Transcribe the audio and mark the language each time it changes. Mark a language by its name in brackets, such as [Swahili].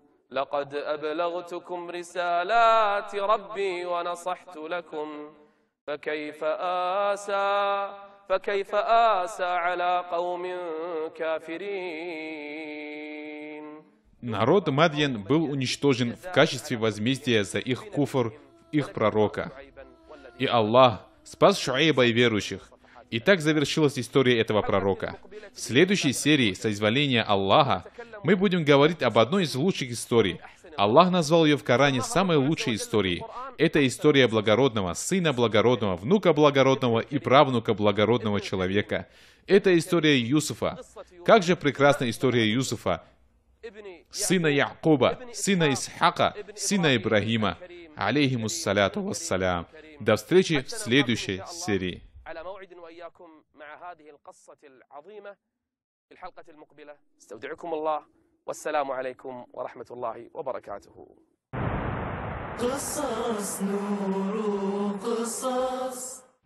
[Arabic] لقد أبلغتكم رسالات ربي ونصحت لكم فكيف آسى على قوم كافرين. [Russian] Народ Мадьян был уничтожен в качестве возмездия за их куфр, их пророка. И Аллах спас Шуайба и верующих. И так завершилась история этого пророка. В следующей серии «Соизволение Аллаха» мы будем говорить об одной из лучших историй. Аллах назвал ее в Коране самой лучшей историей. Это история благородного, сына благородного, внука благородного и правнука благородного человека. Это история Юсуфа. Как же прекрасна история Юсуфа, сына Якуба, сына Исхака, сына Ибрагима. [Arabic] Алейхимуссаляту вассалям. [Russian] До встречи в следующей серии. [Arabic] على موعد وإياكم مع هذه القصة العظيمة في الحلقة المقبلة استودعكم الله والسلام عليكم ورحمة الله وبركاته قصص نور قصص